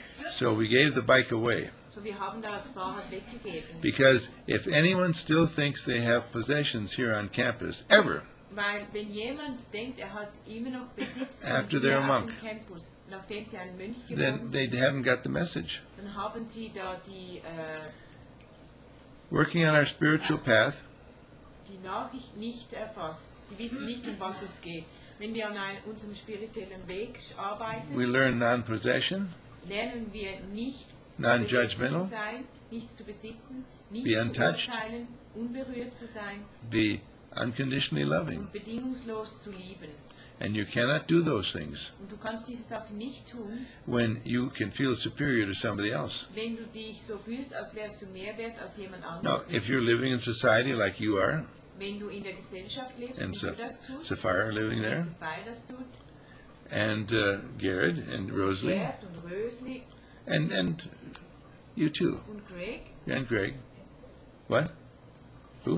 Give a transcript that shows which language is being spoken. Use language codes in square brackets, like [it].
[en] So we gave the bike away. [de] So wir haben das Fahrrad weggegeben. [en] Because if anyone still thinks they have possessions here on campus, ever, [de] weil wenn jemand denkt, er hat immer noch Besitz [en] after they're a monk, [de] campus, nachdem sie ein Mönch geworden, [en] then they haven't got the message. [de] Dann haben sie da die, [en] working on our spiritual path, [de] die Nachricht nicht erfasst. Die wissen nicht, um was es geht. Wenn wir an unserem spirituellen Weg arbeiten, [en] we learn non-possession, [de] lernen wir nicht, [en] non-judgmental, [de] nichts zu besitzen, nichts zu urteilen, unberührt zu sein, [en] be unconditionally loving, [de] und bedingungslos zu lieben. [en] And you cannot do those things, [de] und du kannst diese Sachen nicht tun, [en] when you can feel superior to somebody else. [de] Wenn du dich so fühlst, als wärst du mehr wert als jemand anderes. [en] Now, if you're living in society like you are, [de] wenn du in der Gesellschaft lebst, [en] and [de] wenn du das tust, [en] Sapphire living there, [de] Sapphire das tut, [en] and Gerrit and Rosalie, [de] Gerrit und Rosalie, [en] and you too, [de] und Greg, [en] and Greg, what? Who?